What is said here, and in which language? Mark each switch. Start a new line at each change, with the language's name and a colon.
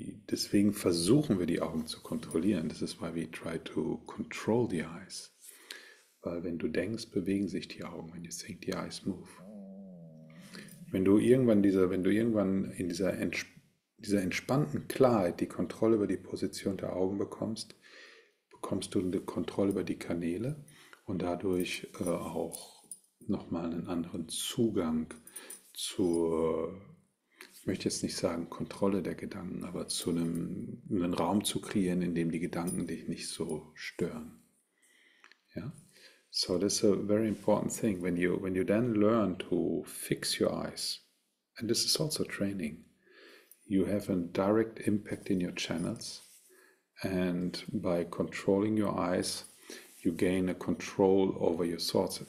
German: Deswegen versuchen wir die Augen zu kontrollieren.
English: This is why we try to control the eyes.
German: Weil wenn du denkst, bewegen sich die Augen.
English: When you think, the eyes move.
German: Wenn du irgendwann in dieser entspannten Klarheit die Kontrolle über die Position der Augen bekommst, bekommst du eine Kontrolle über die Kanäle und dadurch auch nochmal einen anderen Zugang zur, ich möchte jetzt nicht sagen Kontrolle der Gedanken, aber zu einen Raum zu kreieren, in dem die Gedanken dich nicht so stören. Ja?
English: So, that's a very important thing. When you then learn to fix your eyes, and this is also training, you have a direct impact in your channels, and by controlling your eyes, you gain a control over your thoughts.